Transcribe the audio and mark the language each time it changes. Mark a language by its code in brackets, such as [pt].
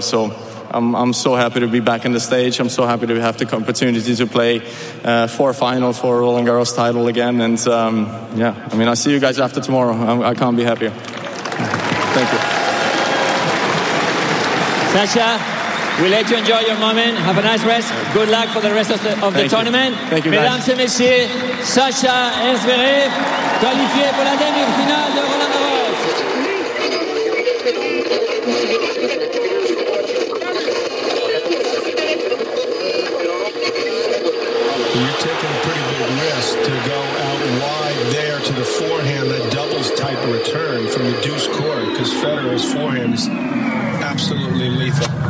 [en] So I'm so happy to be back on the stage. I'm so happy to have the opportunity to play four finals for Roland Garros title again. And yeah, I mean, I'll see you guys after tomorrow. I can't be happier. Thank you. Sasha, we let you enjoy your moment. Have a nice rest. Good luck for the rest of the tournament. Thank you, [fr] mesdames et messieurs, Sasha Zverev, qualifié pour la demi-finale de Roland Garros. [en] You're taking a pretty big risk to go out wide there to the forehand, that doubles type return from the deuce court, because Federer's forehand is absolutely lethal.